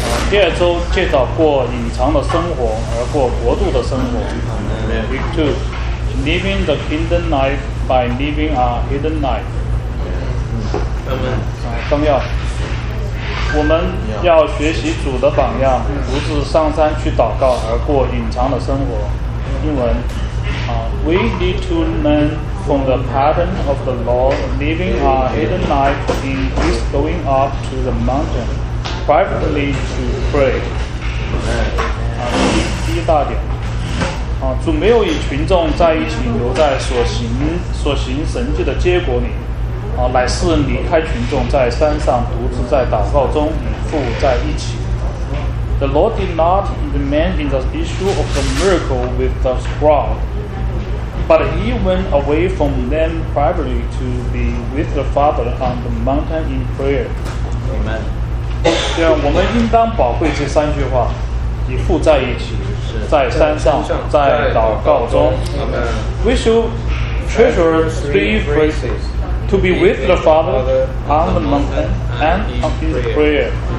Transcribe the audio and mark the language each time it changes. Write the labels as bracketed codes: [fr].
[zh] 第二周介绍过隐藏的生活，而过国度的生活。 [en] Week two, living the kingdom life by living a hidden life。 [zh] 纲要。我们要学习主的榜样，不是上山去祷告而过隐藏的生活。英文 [en] We need to learn from the pattern of the Lord, living our hidden life in His going up to the mountain, privately to pray. [zh] 第一大点主没有与群众在一起留在所行神迹的结果里乃是离开群众，在山上独自在祷告中与父在一起。 [en] The Lord did not remain in the issue of the miracle with the crowd, but he went away from them privately to be with the Father on the mountain in prayer. Amen. [zh] 对啊，我们应当宝贵这三句话：与父在一起，在山上，在祷告中。 [en] Amen. We should treasure three phrases. To be with the Father on the mountain and on his prayer.